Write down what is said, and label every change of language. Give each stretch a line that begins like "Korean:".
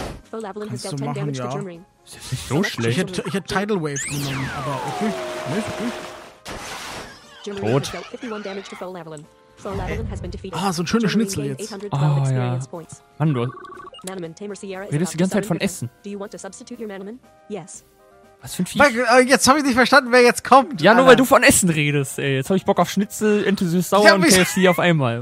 English: Foe Lavalin has dealt 10 machen, damage to Jimmerine.
German: Ist jetzt nicht so schlecht. Ich hätte Tidal Wave genommen, aber okay. Nee, ist okay. Tot. Oh, so ein schönes Schnitzel jetzt. Oh, ja. Mann, du. Redest du die ganze Zeit von Essen?
English: Do you want to substitute your Manamon? Yes.
German: Was für ein Viech? Jetzt habe ich nicht verstanden, wer jetzt kommt. Ja, nur weil du von Essen redest, ey. Jetzt habe ich Bock auf Schnitzel, Ente süß sauer und KFC auf einmal.